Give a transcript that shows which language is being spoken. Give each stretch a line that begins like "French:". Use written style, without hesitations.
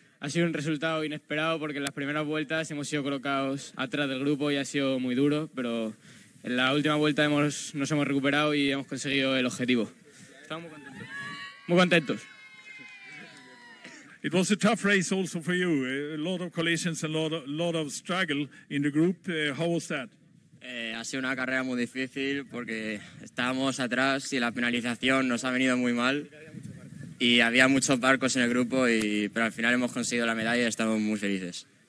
Spanish: Ha sido un resultado inesperado porque en las primeras vueltas hemos sido colocados atrás del grupo y ha sido muy duro, pero en la última vuelta nos hemos recuperado y hemos conseguido el objetivo. Estamos muy contentos.
English: It was a tough race also for you. A lot of collisions and a lot of struggle in the group. How was that?
Spanish: Ha sido una carrera muy difícil porque estábamos atrás y la penalización nos ha venido muy mal. Y había muchos barcos en el grupo, pero al final hemos conseguido la medalla y estamos muy felices.